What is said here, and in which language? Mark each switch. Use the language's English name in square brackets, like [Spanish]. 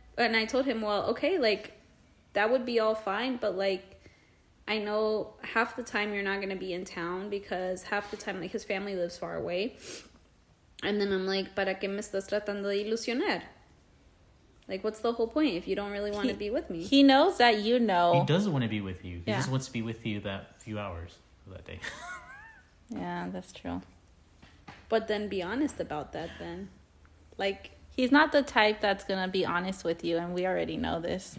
[English] And I told him, well, okay, like, that would be all fine. But, like, I know half the time you're not going to be in town. Because half the time, like, his family lives far away. And then I'm like, [Spanish] ¿para qué me estás tratando de ilusionar? [English] Like, what's the whole point if you don't really want to be with me? He knows that you know. He doesn't want to be with you. Yeah. He just wants to be with you that few hours of that day. Yeah, that's true. But then be honest about that then. Like, he's not the type that's going to be honest with you, and we already know this.